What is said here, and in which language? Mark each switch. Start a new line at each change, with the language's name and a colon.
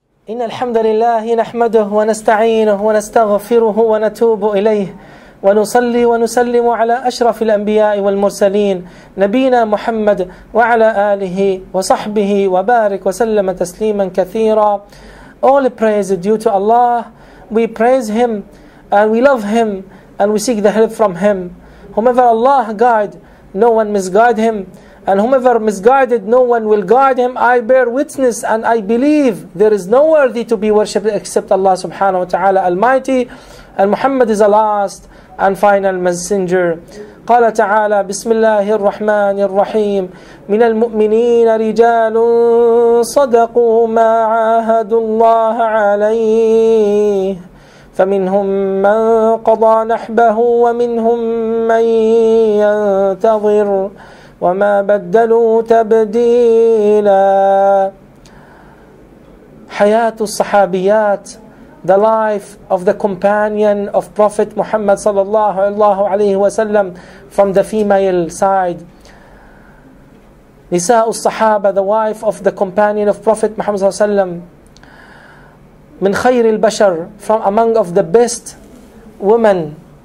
Arabic: إن الحمد لله نحمده ونستعينه ونستغفره ونتوب إليه ونصلي ونسلم على أشرف الأنبياء والمرسلين نبينا محمد وعلى آله وصحبه وبارك وسلم تسليما كثيرا.
English: All praise due to Allah. We praise Him and we love Him and we seek the help from Him. Whomever Allah guide, no one misguide Him. And whomever misguided, no one will guide him. I bear witness and I believe there is no worthy to be worshipped except Allah subhanahu wa ta'ala Almighty. And Muhammad is the last and final messenger.
Arabic: قال تعالى بسم الله الرحمن الرحيم من المؤمنين رجال صدقوا ما عاهدوا الله عليه فمنهم من قضى نحبه ومنهم من ينتظر وَمَا بَدَّلُوا تَبْدِيلًا. حَيَاتُ الصَّحَابِيَاتِ,
English: the life of the companion of Prophet Muhammad sallallahu alayhi wa sallam, from the female side.
Arabic: نِسَاءُ الصَّحَابَ,
English: the wife of the companion of Prophet Muhammad sallallahu alayhi wa sallam,
Arabic: مِنْ خَيْرِ الْبَشَرِ,
English: from among of the best women.